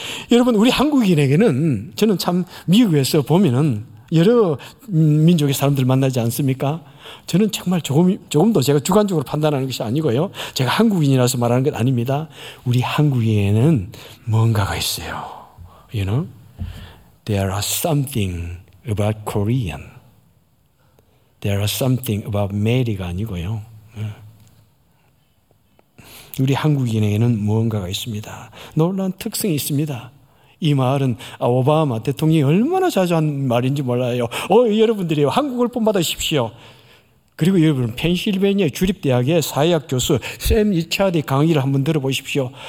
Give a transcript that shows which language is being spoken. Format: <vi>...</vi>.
<ko>여러분, 우리 한국인에게는 저는 참 미국에서 보면은 여러 민족의 사람들 만나지 않습니까? 저는 정말 조금도 제가 주관적으로 판단하는 것이 아니고요. 제가 한국인이라서 말하는 건 아닙니다. 우리 한국인에는 뭔가가 있어요.</ko> <en>You know? There are something about Korean. There are something about Mary가</en> <ko>아니고요. 우리 한국인에게는 무언가가 있습니다. 놀라운 특성이 있습니다. 이 말은 오바마 대통령이 얼마나 자주 한 말인지 몰라요. 여러분들이요, 한국을 본받으십시오. 그리고 여러분, 펜실베니아 주립대학의 사회학 교수 샘 이차디 강의를 한번 들어보십시오.</ko>